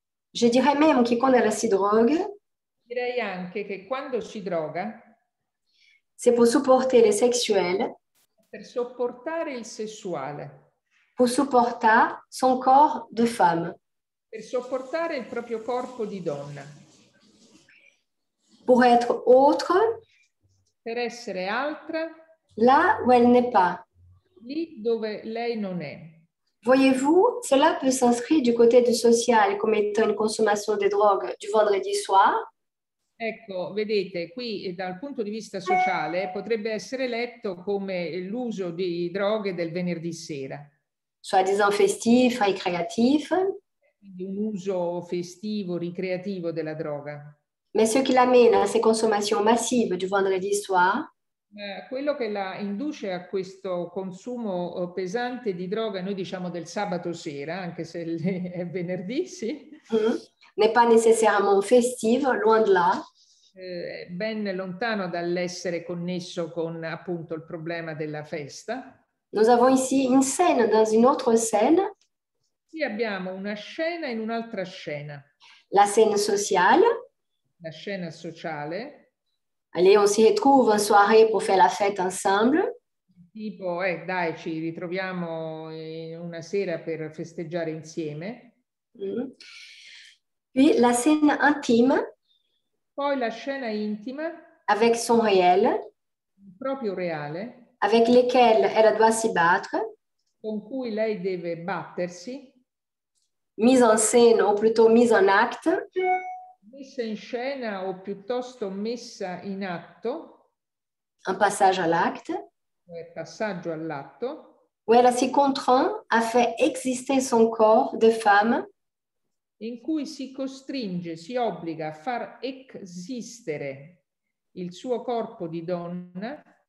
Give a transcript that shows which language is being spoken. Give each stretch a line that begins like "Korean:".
French: Je dirais même que quand elle
Italian: si
French: drogue,
Italian: direi anche che quando si droga,
French: c'est pour supporter le sexuel,
Italian: per sopportare il sessuale,
French: pour supporter son corps de femme,
Italian: per sopportare il proprio corpo di donna.
French: Pour être autre,
Italian: per essere altra,
French: là où elle n'est pas.
Italian: Lì dove lei non è.
French: Voyez-vous, cela peut s'inscrire du côté du social comme étant une consommation de drogue du vendredi soir.
Italian: Ecco, vedete, qui dal punto di vista sociale potrebbe essere letto come l'uso di droghe del venerdì sera.
French: Soi-disant festif, récréatif.
Italian: Di un uso festivo, ricreativo della droga.
French: Mais ce qui l'amène à ces consommations massives du vendredi soir,
Italian: quello che la induce a questo consumo pesante di droga, noi diciamo del sabato sera, anche se è venerdì, sì.
French: N'est pas nécessairement festive, loin de là.
Italian: Ben lontano dall'essere connesso con appunto il problema della festa.
French: Nous avons ici une scène dans une autre scène.
Italian: Qui abbiamo una scena in un'altra scena.
French: La scène sociale.
Italian: La scena sociale.
French: Allez, on
Italian: si
French: retrouve en soirée pour faire la fête ensemble.
Italian: Tipo, dai, ci ritroviamo una sera per festeggiare insieme.
French: Puis la scène intime.
Italian: Poi la scena intima.
French: Avec son réel.
Italian: Proprio reale.
French: Avec lequel elle doit s'y battre.
Italian: Con cui lei deve battersi.
French: Mise en scène ou plutôt mise en acte.
Italian: Messa in scena o piuttosto messa in atto.
French: Un passage à l'acte.
Italian: Passaggio all'atto.
French: Où elle
Italian: si
French: contraint à faire exister son corps de femme.
Italian: In cui si costringe, si obbliga a far esistere il suo corpo di donna.